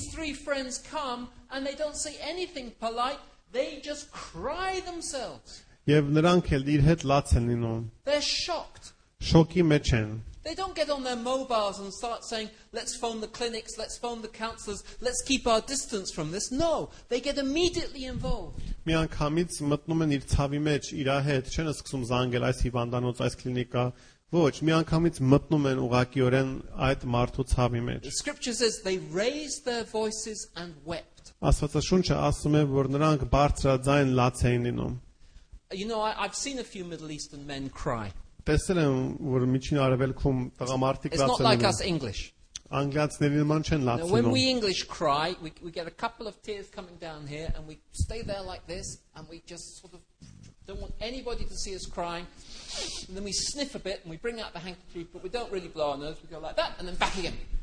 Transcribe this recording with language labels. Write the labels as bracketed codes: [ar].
[en] These three friends come and they don't say anything polite, they just cry themselves. [hy] Եվ նրանք էլ իր հետ լաց են լինում։ [en] They're shocked. [hy] Շոկի մեջ են։ [en] They don't get on their mobiles and start saying, let's phone the clinics, let's phone the counselors, let's keep our distance from this. No, they get immediately involved. [hy] Մի անգամից մտնում են իր ցավի մեջ իրա հետ, չեն սկսում զանգել այս հիվանդանոց, այս կլինիկա։ Ոչ, մի անգամից մտնում են ուղղակիորեն այդ մարդու ցավի մեջ։ [en] The scripture says they raised their voices and wept. [hy] Աստվածաշունչը ասում է, որ նրանք բարձրաձայն լաց էին լինում։ [en] You know, I've seen a few Middle Eastern men cry. [hy] Տեսել եմ, որ միջին արևելքում տղամարդիկ լաց են լինում։ Անգլիացիների նման չեն լացնում։ [en] When we English cry, we get a couple of tears coming down here and we stay there like this and we just sort of don't want anybody to see us crying. And then we sniff a bit and we bring out the handkerchief, but we don't really blow our nose. We go like that and then back again.